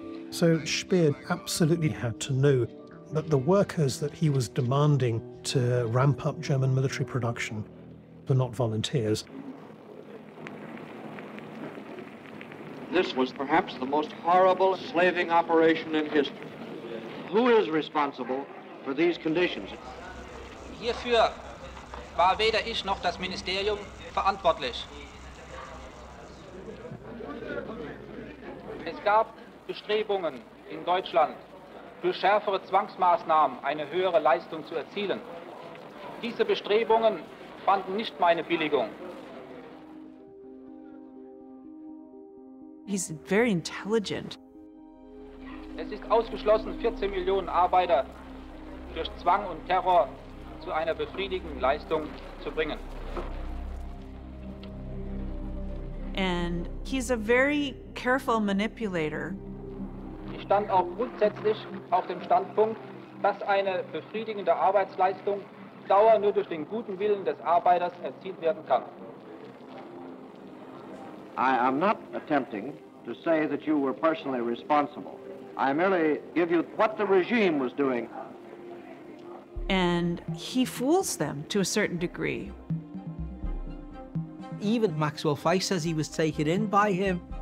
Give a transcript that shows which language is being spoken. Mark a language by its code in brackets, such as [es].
[en] So Speer absolutely had to know that the workers that he was demanding to ramp up German military production were not volunteers. This was perhaps the most horrible slaving operation in history. Who is responsible for these conditions? [de] Hierfür war weder ich noch das Ministerium verantwortlich. Es gab Bestrebungen in Deutschland, durch schärfere Zwangsmaßnahmen eine höhere Leistung zu erzielen. Diese Bestrebungen fanden nicht meine Billigung. [en] He's very intelligent. [de] Es ist ausgeschlossen, 14 Millionen Arbeiter durch Zwang und Terror zu einer befriedigenden Leistung zu bringen. [en] And he's a very careful manipulator. [de] Ich stand auch grundsätzlich auf dem Standpunkt, dass eine befriedigende Arbeitsleistung Dauer nur durch den guten Willen des Arbeiters erzielt werden kann. [en] I am not attempting to say that you were personally responsible. I merely give you what the regime was doing. And he fools them to a certain degree. Even Maxwell Feiss says he was taken in by him.